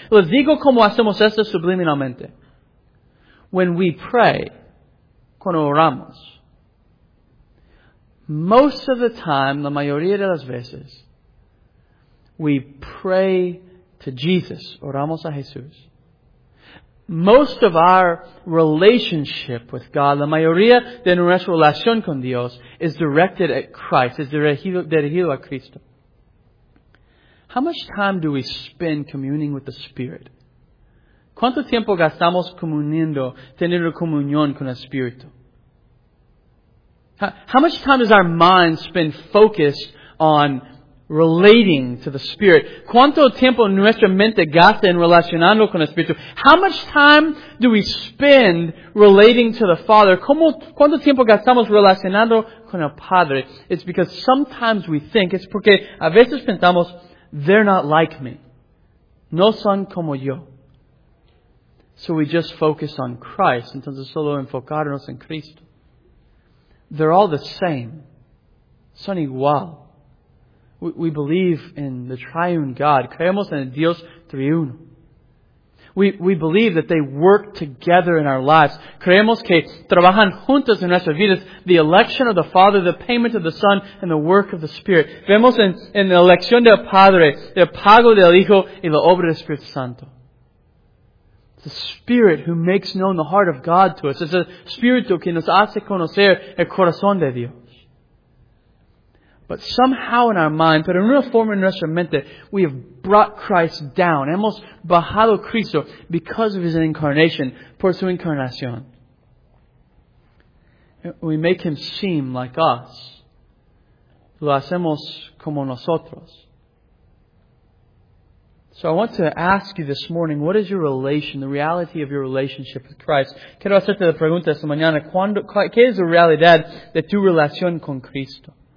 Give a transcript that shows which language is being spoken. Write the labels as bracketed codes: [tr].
[es] Les digo cómo hacemos esto subliminalmente. [en] When we pray, [es] cuando oramos, [en] most of the time, [es] la mayoría de las veces, [en] we pray to Jesus. [es] Oramos a Jesús. [en] Most of our relationship with God, [es] la mayoría de nuestra relación con Dios, [en] is directed at Christ, [es] is dirigido a Cristo. [en] How much time do we spend communing with the Spirit? [es] ¿Cuánto tiempo gastamos comuniendo, teniendo comunión con el Espíritu? [en] How much time does our mind spend focused on relating to the Spirit? [es] ¿Cuánto tiempo nuestra mente gasta en relacionando con el Espíritu? [en] How much time do we spend relating to the Father? [es] ¿Cuánto tiempo gastamos relacionando con el Padre? [en] It's because sometimes we think, it's [es] porque a veces pensamos, [en] they're not like me. [es] No son como yo. [en] So we just focus on Christ. [es] Entonces solo enfocarnos en Cristo. [en] They're all the same. [es] Son igual. [en] We believe in the triune God. [es] Creemos en Dios triuno. [en] We believe that they work together in our lives. [es] Creemos que trabajan juntos en nuestras vidas. [en] The election of the Father, the payment of the Son, and the work of the Spirit. [es] Vemos en la elección del Padre, el pago del Hijo, y la obra del Espíritu Santo. [en] The Spirit who makes known the heart of God to us. It's a Spirit [es] que nos hace conocer el corazón de Dios. [en] But somehow in our mind, [es] pero en una forma en nuestra mente, [en] we have brought Christ down. [es] Hemos bajado Cristo [en] because of His incarnation, [es] por su encarnación. [en] We make Him seem like us. [es] Lo hacemos como nosotros. [en] So I want to ask you this morning, what is your relation, the reality of your relationship with Christ? [es] Quiero hacerte la pregunta esta mañana, ¿qué es la realidad de tu relación con Cristo?